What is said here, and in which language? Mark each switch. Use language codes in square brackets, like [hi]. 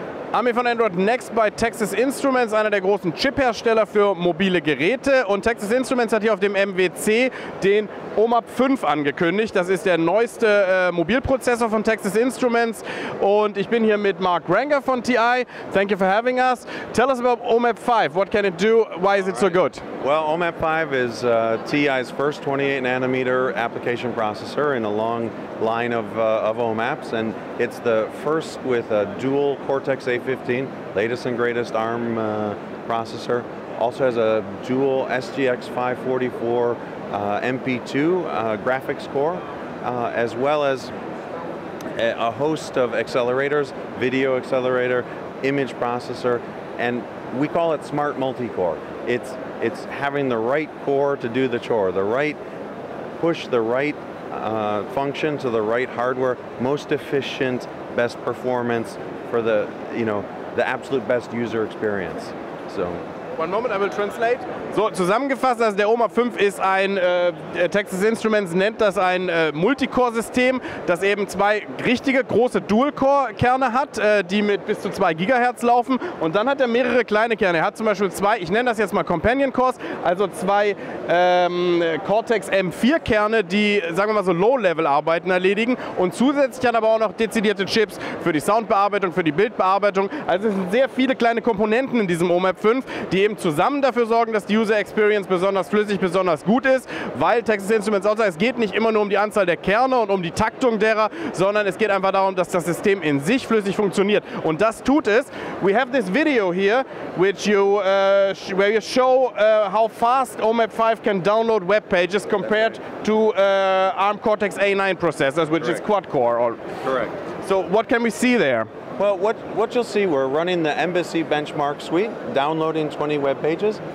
[de] Armin von Android Next bei Texas Instruments, einer der großen Chiphersteller für mobile Geräte. Und Texas Instruments hat hier auf dem MWC den OMAP 5 angekündigt. Das ist der neueste Mobilprozessor von Texas Instruments. Und ich bin hier mit Mark Granger von TI. [en] Thank you for having us. Tell us about OMAP 5. What can it do? Why is it so good? Well, OMAP 5 is TI's first 28 nanometer application processor in a long line of OMAPs, and it's the first with a dual Cortex A15, latest and greatest ARM processor. Also has a dual SGX 544 MP2 graphics core, as well as a host of accelerators, video accelerator, image processor, and we call it smart multi-core. It's having the right core to do the chore, the right push, the right function to the right hardware, most efficient, best performance for the, you know, the absolute best user experience. So. One moment, I will translate. [de] So, zusammengefasst, also der OMAP 5 ist ein, Texas Instruments nennt das ein Multicore-System, das eben zwei richtige große Dual-Core-Kerne hat, die mit bis zu 2 GHz laufen. Und dann hat er mehrere kleine Kerne. Er hat zum Beispiel zwei, ich nenne das jetzt mal Companion-Cores, also zwei Cortex-M4-Kerne, die, sagen wir mal so, Low-Level-Arbeiten erledigen. Und zusätzlich hat er aber auch noch dezidierte Chips für die Soundbearbeitung, für die Bildbearbeitung. Also es sind sehr viele kleine Komponenten in diesem OMAP 5, die eben zusammen dafür sorgen, dass die User Experience besonders flüssig, besonders gut ist, weil Texas Instruments auch sagt, es geht nicht immer nur um die Anzahl der Kerne und um die Taktung derer, sondern es geht einfach darum, dass das System in sich flüssig funktioniert. Und das tut es. [en] We have this video here, which you, where you show how fast OMAP 5 can download web pages compared to ARM Cortex A9 processors, which is quad-core. Correct. So what can we see there? Well, what you'll see, we're running the Embassy benchmark suite, downloading 20 web pages.